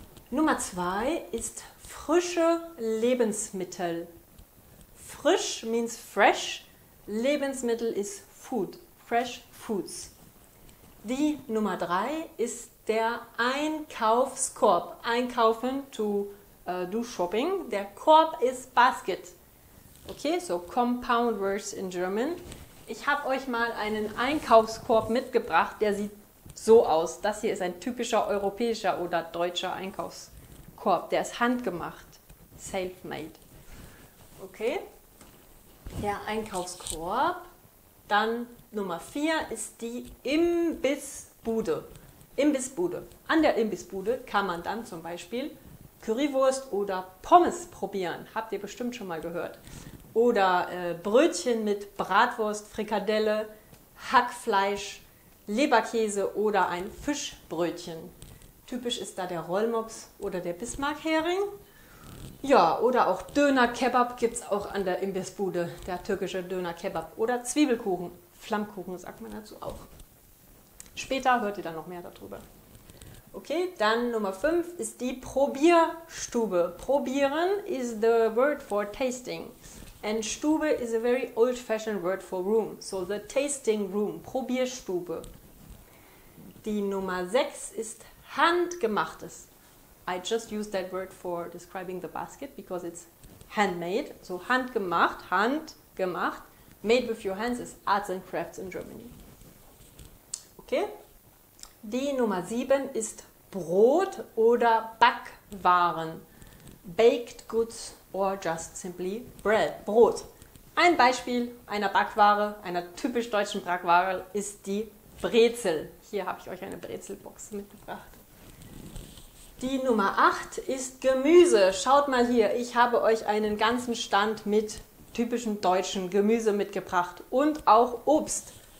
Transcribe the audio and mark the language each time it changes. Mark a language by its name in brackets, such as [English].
[German] Nummer zwei ist frische Lebensmittel. [English] Frisch means fresh, Lebensmittel ist food, fresh foods. [German] Die Nummer drei ist der Einkaufskorb. Einkaufen, [English] to do shopping. [German] Der Korb ist basket. [English] Okay, so compound words in German. [German] Ich habe euch mal einen Einkaufskorb mitgebracht, der sieht so aus. Das hier ist ein typischer europäischer oder deutscher Einkaufskorb. Der ist handgemacht. [English] Self-made. [German] Okay, der Einkaufskorb. Dann Nummer 4 ist die Imbissbude. Imbissbude. An der Imbissbude kann man dann zum Beispiel Currywurst oder Pommes probieren. Habt ihr bestimmt schon mal gehört. Oder Brötchen mit Bratwurst, Frikadelle, Hackfleisch, Leberkäse oder ein Fischbrötchen. Typisch ist da der Rollmops oder der Bismarckhering. Ja, oder auch Döner-Kebab gibt es auch an der Imbissbude, der türkische Döner-Kebab. Oder Zwiebelkuchen, Flammkuchen sagt man dazu auch. Später hört ihr dann noch mehr darüber. Okay, dann Nummer 5 ist die Probierstube. [English] Probieren is the word for tasting. And Stube is a very old-fashioned word for room. So the tasting room, Probierstube. [German] Die Nummer 6 ist Handgemachtes. [English] I just use that word for describing the basket because it's handmade. So handgemacht, handgemacht. Made with your hands is arts and crafts in Germany. Okay. [German] Die Nummer 7 ist Brot oder Backwaren. [English] Baked goods or just simply bread. [German] Brot. Ein Beispiel einer Backware, einer typisch deutschen Backware, ist die Brezel. Hier habe ich euch eine Brezelbox mitgebracht. Die Nummer 8 ist Gemüse. Schaut mal hier, ich habe euch einen ganzen Stand mit typischen deutschen Gemüse mitgebracht und auch Obst.